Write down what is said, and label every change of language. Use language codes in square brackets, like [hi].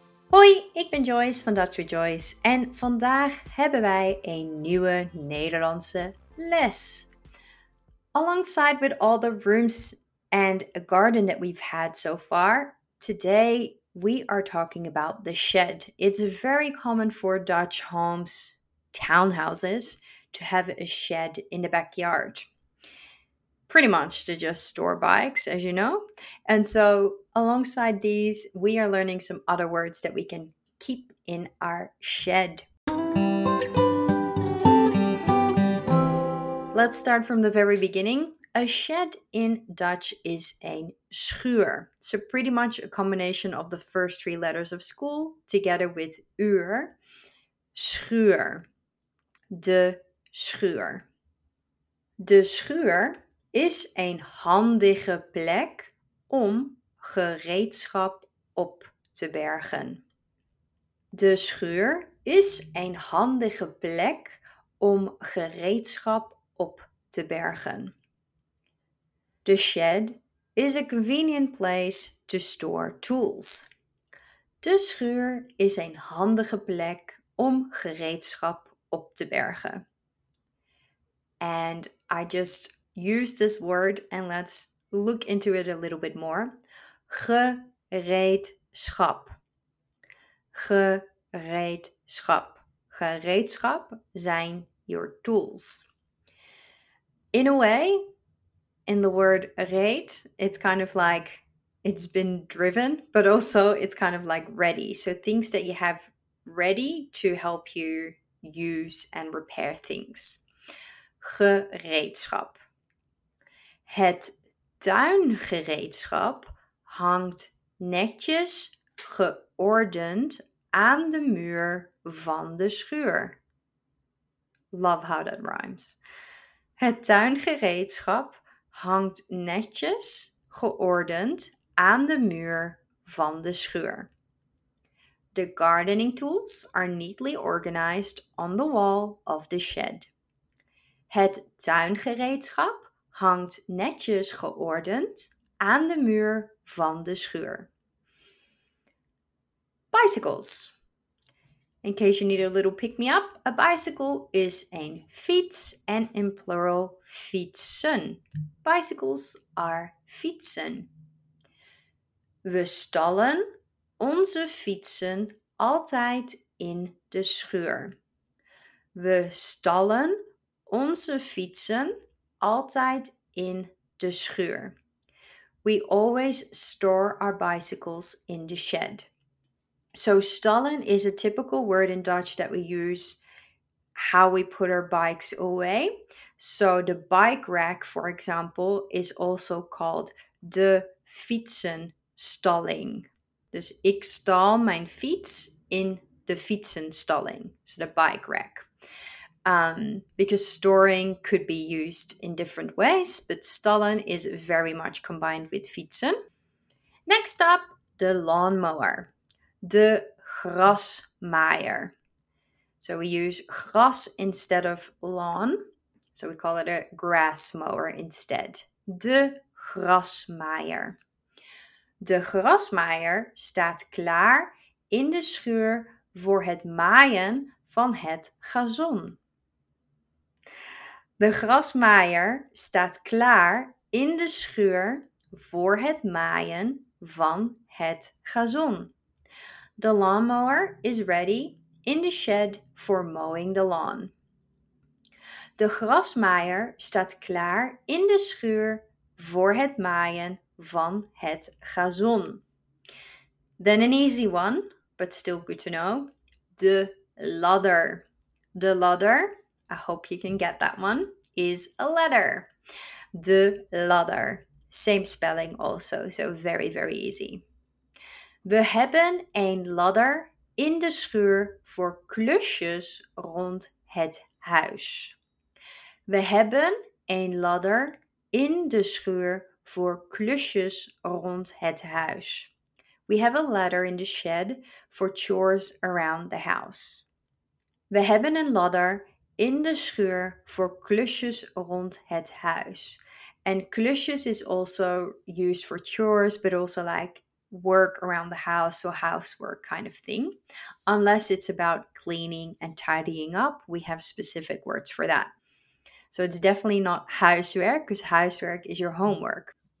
[nl] Hoi, ik ben Joyce van [en] Dutch with Joyce [nl] en vandaag hebben wij een nieuwe Nederlandse les. [en] Alongside with all the rooms and a garden that we've had so far, today we are talking about the shed. It's very common for Dutch homes, townhouses, to have a shed in the backyard. Pretty much to just store bikes, as you know. And so alongside these, we are learning some other words that we can keep in our shed. Let's start from the very beginning. A shed in Dutch is een schuur. So pretty much a combination of the first three letters of school together with uur. [nl] Schuur. De schuur. De schuur is een handige plek om gereedschap op te bergen. De schuur is een handige plek om gereedschap op te bergen. [en] The shed is a convenient place to store tools. [nl] De schuur is een handige plek om gereedschap op te bergen. [en] And I just used this word and let's look into it a little bit more. [nl] Gereedschap. Gereedschap. Gereedschap zijn [en] your tools. In a way, in the word reed, it's kind of like it's been driven, but also it's kind of like ready. So things that you have ready to help you use and repair things. [nl] Gereedschap. Het tuingereedschap hangt netjes geordend aan de muur van de schuur. [en] Love how that rhymes. [nl] Het tuingereedschap hangt netjes geordend aan de muur van de schuur. [en] The gardening tools are neatly organized on the wall of the shed. [nl] Het tuingereedschap hangt netjes geordend aan de muur van de schuur. [en] Bicycles. In case you need a little pick-me-up, a bicycle is een fiets and in plural fietsen. Bicycles are fietsen. [nl] We stallen onze fietsen altijd in de schuur. We stallen onze fietsen altijd in de schuur. [en] We always store our bicycles in the shed. So stallen is a typical word in Dutch that we use how we put our bikes away. So the bike rack, for example, is also called de fietsenstalling. [nl] Dus ik stal mijn fiets in de fietsenstalling, [en] so the bike rack. Because storing could be used in different ways, but stallen is very much combined with fietsen. Next up, the lawnmower. De grasmaaier. So we use gras instead of lawn. So we call it a grass mower instead. De grasmaaier. [nl] De grasmaaier staat klaar in de schuur voor het maaien van het gazon. De grasmaaier staat klaar in de schuur voor het maaien van het gazon. [en] The lawnmower is ready in the shed for mowing the lawn. [nl] De grasmaaier staat klaar in de schuur voor het maaien van het gazon. [en] Then an easy one, but still good to know. De ladder. De ladder, I hope you can get that one, is a ladder. De ladder. Same spelling also, so very, very easy. [nl] We hebben een ladder in de schuur voor klusjes rond het huis. We hebben een ladder in de schuur voor klusjes rond het huis. [en] We have a ladder in the shed for chores around the house. [nl] We hebben een ladder in de schuur voor klusjes rond het huis. [en] And klusjes is also used for chores, but also like work around the house, so housework kind of thing. Unless it's about cleaning and tidying up, we have specific words for that. So it's definitely not huiswerk, because huiswerk is your homework.